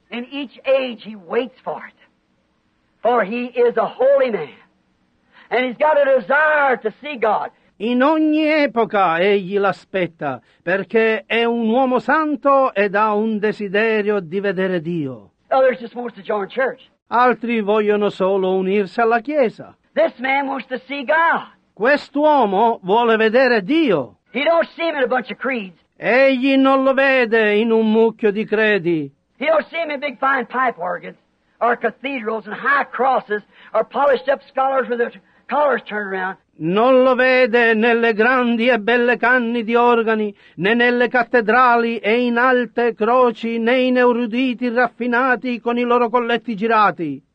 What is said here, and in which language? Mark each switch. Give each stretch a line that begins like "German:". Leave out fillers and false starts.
English: In each age he waits for it, for he is a holy man, and he's got a desire to see God.
Italian: In ogni epoca egli l'aspetta, perché è un uomo santo ed ha un desiderio di vedere Dio.
English: Others just want to join church.
Italian: Altri vogliono solo unirsi alla Chiesa.
English: This man wants to see God.
Italian: Quest'uomo vuole vedere Dio.
English: He don't see him in a bunch of creeds.
Italian: Egli non lo vede in un mucchio di credi.
English: He don't see him in big fine pipe organs, or cathedrals and high crosses, or polished up scholars with their collars turned around.
Italian: Non lo vede nelle grandi e belle canne di organi, né nelle cattedrali e in alte croci, né in eruditi raffinati con i loro colletti girati.